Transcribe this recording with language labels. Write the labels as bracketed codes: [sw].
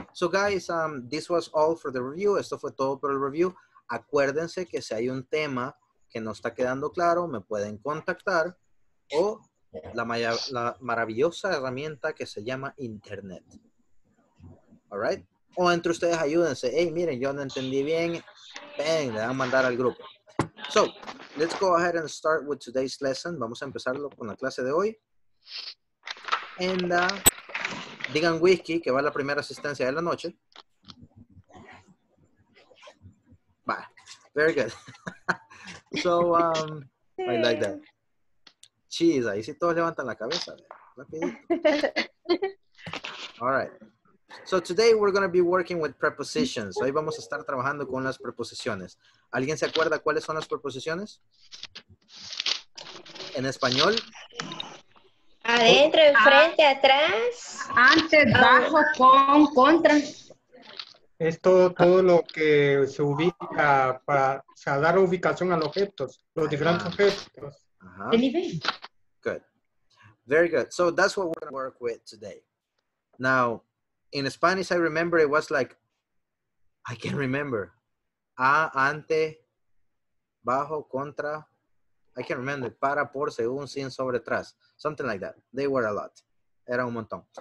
[en] So, guys, this was all for the review. [es] Esto fue todo por el review. Acuérdense que si hay un tema que no está quedando claro, me pueden contactar o la maravillosa herramienta que se llama internet. All right? O entre ustedes ayúdense. Hey, miren, yo no entendí bien. Ven, le van a mandar al grupo. [en] So, let's go ahead and start with today's lesson. [es] Vamos a empezarlo con la clase de hoy. Digan whisky, que va la primera asistencia de la noche. [en] Va. Very good. So, I like that. [es] Cheese, ahí sí todos levantan la cabeza. Rapidito. [en] All right. So, today we're going to be working with prepositions. [es] Hoy vamos a estar trabajando con las preposiciones. ¿Alguien se acuerda cuáles son las preposiciones? ¿En español? A Adentro, oh, enfrente, atrás. Antes, bajo, con, contra. Es todo, todo lo que se ubica para, o sea, dar ubicación a los objetos, los diferentes objetos. [en] Good. Very good. So that's what we're going to work with today. Now, in Spanish, I remember it was like, I can remember. [es] A, ante, bajo, contra. [en] I can remember. [es] Para, por, según, sin, sobre, tras. [en] Something like that. They were a lot. [es] Era un montón.